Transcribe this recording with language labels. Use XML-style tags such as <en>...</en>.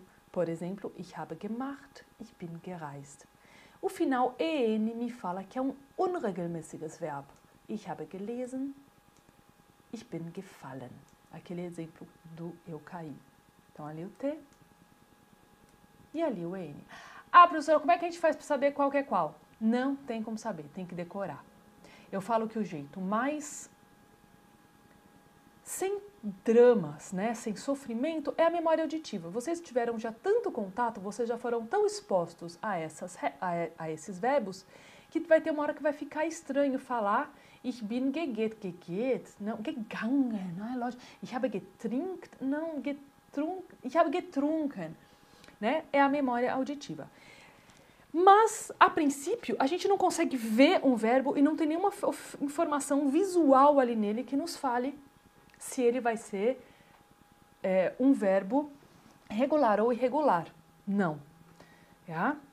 <pt>Por exemplo,</pt> <de>ich habe gemacht, ich bin gereist.</de> <pt>O final EN me fala que é um unregelmäßiges Verb.</pt> <de>Ich habe gelesen, ich bin gefallen.</de> <pt>Aquele exemplo do eu caí. Então, ali o T e ali o N. Ah, professora, como é que a gente faz para saber qual que é qual? Não tem como saber, tem que decorar. Eu falo que o jeito mais sem dramas, né, sem sofrimento, é a memória auditiva. Vocês tiveram já tanto contato, vocês já foram tão expostos a esses verbos, que vai ter uma hora que vai ficar estranho falar.</pt> <de>Ich bin geget, geget, não, gegangen, não é lógico. Ich habe getrinkt, não, ich habe getrunken, né?</de> <pt>É a memória auditiva. Mas, a princípio, a gente não consegue ver um verbo e não tem nenhuma informação visual ali nele que nos fale se ele vai ser um verbo regular ou irregular. Não. Já?</pt>